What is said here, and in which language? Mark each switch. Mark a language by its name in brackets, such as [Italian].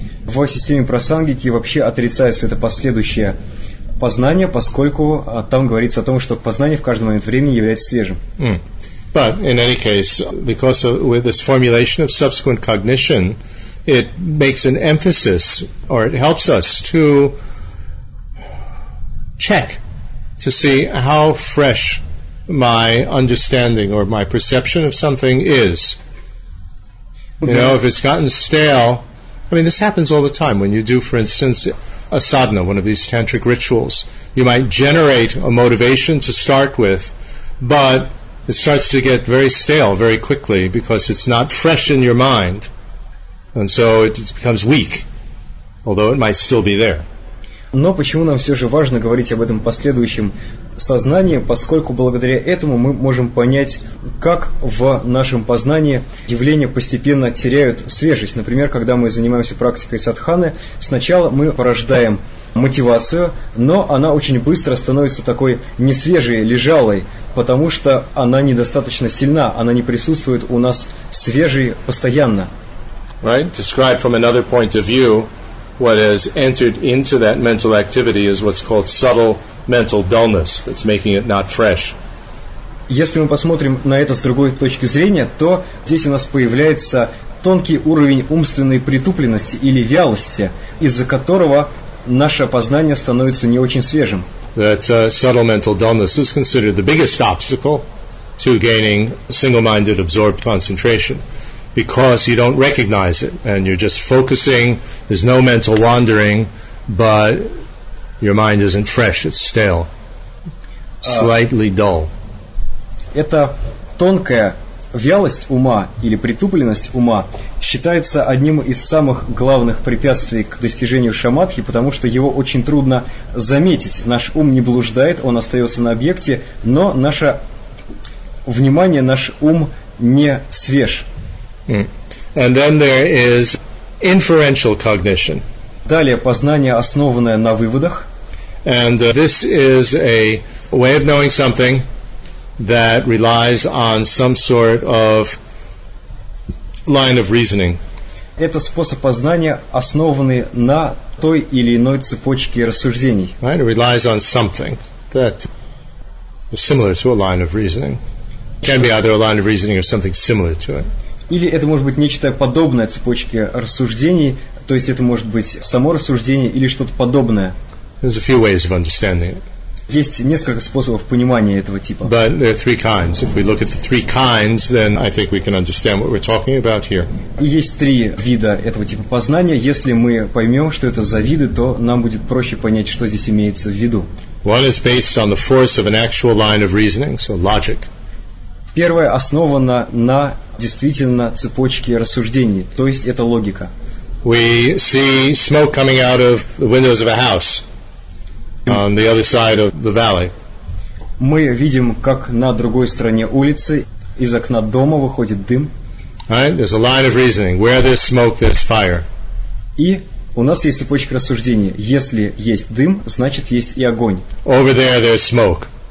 [Russian] В системе Прасангики вообще отрицается это последующее познание, поскольку там говорится о том, что познание в каждый момент времени является свежим. Mm. [English] But in any case, because of, with this formulation of subsequent cognition, it makes an emphasis, or it helps us to check to see how fresh my understanding or my perception of something is. You know, if it's gotten stale. I mean, this happens all the time when you do, for instance, a sadhana, one of these tantric rituals. You might generate a motivation to start with, but it starts to get very stale very quickly because it's not fresh in your mind. And so it becomes weak, although it might still be there. [Russian] Но почему нам все же важно говорить об этом последующем сознание, поскольку благодаря этому мы можем понять, как в нашем познании явления постепенно теряют свежесть. Например, когда мы занимаемся практикой садханы, сначала мы порождаем мотивацию, но она очень быстро становится такой несвежей, лежалой, потому что она недостаточно сильна, она не присутствует у нас свежей постоянно. [English] Right? Describe from another point of view what has entered into that mental activity is what's called subtle mental dullness that's making it not fresh. [Russian] Если мы посмотрим на это с другой точки зрения, то здесь у нас появляется тонкий уровень умственной притупленности или вялости, из-за которого наше познание становится не очень свежим. [English] That subtle mental dullness is considered the biggest obstacle to gaining single-minded absorbed concentration. Because you don't recognize it, and you're just focusing, there's no mental wandering, but your mind isn't fresh, it's stale, slightly dull. [Russian] Эта тонкая вялость ума или притупленность ума считается одним из самых главных препятствий к достижению шамадхи, потому что его очень трудно заметить. Наш ум не блуждает, он остается на объекте, но наше внимание, наш ум не свеж. [English] And then there is inferential cognition. [Russian] Далее познание, основанное на выводах. [English] And this is a way of knowing something that relies on some sort of line of reasoning. [Russian] Это способ познания, основанный на той или иной цепочке рассуждений. [English] Right, it relies on something that is similar to a line of reasoning. It can be either a line of reasoning or something similar to it. [Russian] Или это может быть нечто подобное цепочке рассуждений, то есть это может быть само рассуждение или что-то подобное. [English] There's a few ways of understanding it. [Russian] Есть несколько способов понимания этого типа. [English] But there are three kinds. If we look at the three kinds, then I think we can understand what we're talking about here. [Russian] И есть три вида этого типа познания. Если мы поймем, что это за виды, то нам будет проще понять, что здесь имеется в виду. [English] One is based on the force of an actual line of reasoning, so logic. [Russian] Первое основано на действительно цепочке рассуждений, то есть это логика. [English] We see smoke coming out of the windows of a house on the other side of the valley. [Russian] Мы видим, как на другой стороне улицы из окна дома выходит дым. [English] Right? There's a line of reasoning. Where there's smoke, there's fire. [Russian] И у нас есть цепочка рассуждений. Если есть дым, значит есть и огонь. [English] Over there, there's smoke.